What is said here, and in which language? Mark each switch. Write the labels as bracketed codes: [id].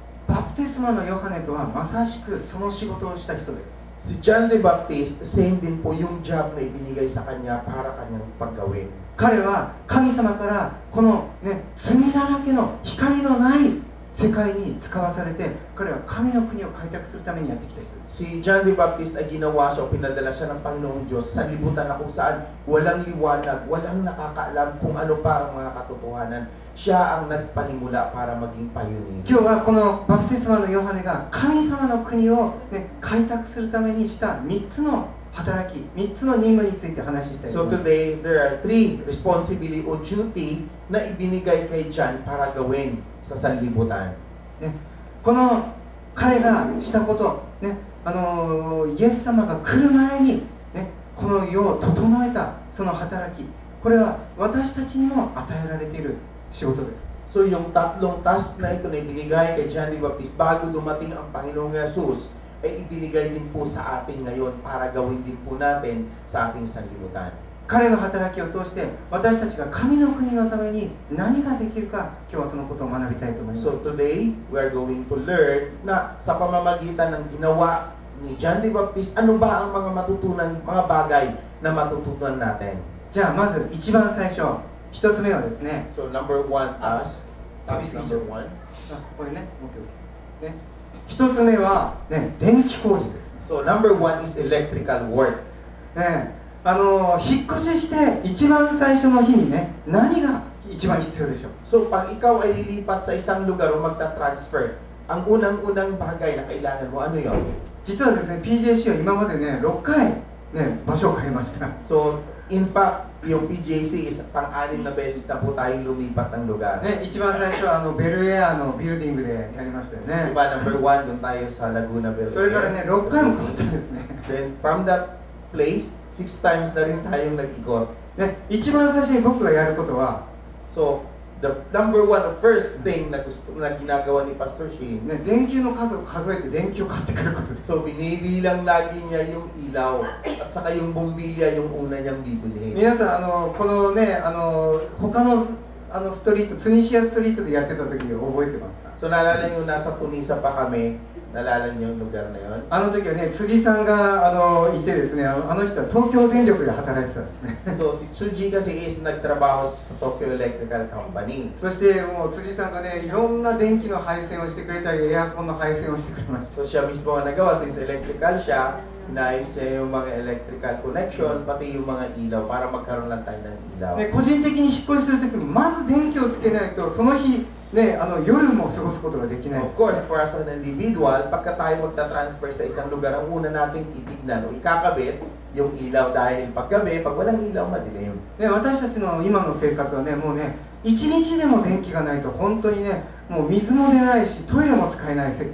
[ja] バプテスマのヨハネとはまさしくその仕事をした人です。 [tl] Si John the Baptist, same din po yung job na ibinigay sa kanya para kanyang paggawin. [ja] 彼は神様からこの、ね、罪だらけの光のない世界に使わされて、彼は神の国を開拓するためにやってきた人です。 [tl] Si John the Baptist ay ginawa siya o pinadala siya ng Panginoong Diyos sa libutan na kung saan walang liwanag, walang nakakaalam kung ano pa ang mga katotohanan. Siya ang nagpanimula para maging pioneer. [ja] 今日はこのバプテスマのヨハネが神様の国を、ね、開拓するためにした3つの働き、3つの任務について話したいと思います。 [en] So today, there are three responsibility or duty [tl] na ibinigay kay John para gawin sa sanlibutan. [ja] ね、この彼がしたこと、ね、イエス様が来る前に、ね、この世を整えたその働き、これは私たちにも与えられている仕事です。 [tl] So yung tatlong task na ito na ibinigay kay John the Baptist bago dumating ang Panginoong Jesus,ay ibinigay din po sa atin ngayon para gawin din po natin sa ating sanlibutan. [ja] 彼の働きを通して私たちが神の国のために何ができるか、今日はそのことを学びたいと思います。 [en] So today, we are going to learn [tl] na sa pamamagitan ng ginawa ni John the Baptist, ano ba ang mga matutunan, mga bagay na matutunan natin? [ja] じゃあまず一番最初、一つ目はですね、 [en] So number one task, [ja] 一つ目は、ね、電気工事です。 [en] So number one is electrical work. [ja] ね、引っ越しして一番最初の日にね、何が一番必要でしょう。 [tl] So pag ikaw ay lilipat sa isang lugar o magta-transfer, ang unang-unang bagay na kailangan mo, ano yun? [ja] 実はですね、PJC は今までね、6回ね、場所を変えました。 [en] So in fact, [tl] yung PJC is pang-anim na beses na po tayong lumipat ng lugar. [ja] Ne, 一番最初はベルエアのビルディングでやりましたよね。 [tl] Diba, number one, doon tayo sa Laguna, Belgrade. [ja] それからね、6回も変わったんですね。 [tl] Then from that place, 6 times na rin tayong nag-ikot. [ja] Ne, 一番最初に僕がやることは、 [en] So, the number one, the first thing [tl] na, gusto, na ginagawa ni [en] Pastor Shane, [ja] ね、電球の数を数えて電球を買ってくることです。 [tl] So, binibilang lagi niya yung ilaw at saka yung bumbilya yung una niyang bibili. [ja] 皆さん、このね、他の、ストリート、ツニシアストリートでやってた時を覚えてますか？ [tl] So, naalala niyo, nasa Punisa pa kami, naalala niyo yung lugar na yun? [ja] あの時はね、辻さんが、いてですね、あの人は東京電力で働いてたんですね。 [tl] So, si Tsuji kasi is nagtrabaho sa Tokyo Electrical Company. [ja] そして、もう辻さんがね、いろんな電気の配線をしてくれたり、エアコンの配線をしてくれました。 [tl] So, siya mismo ang nagawa, since electrical siya,nais siya yung mga electrical connection pati yung mga ilaw para magkaroon lang tayo ng ilaw. [ja] 個人的に引っ越しするときまず電気をつけないとその日ね、あの夜も過ごすことができない。 [en] Of course, for us as an individual, [tl] pagka tayo magta-transfer sa isang lugar, ang una nating titignan, ikakabit yung ilaw dahil paggabi, pag walang ilaw, madilim. [ja] Ne, 私たちの今の生活はね、もうね、一日でも電気がないと本当にね、もう水も出ないし、トイレも使えないね。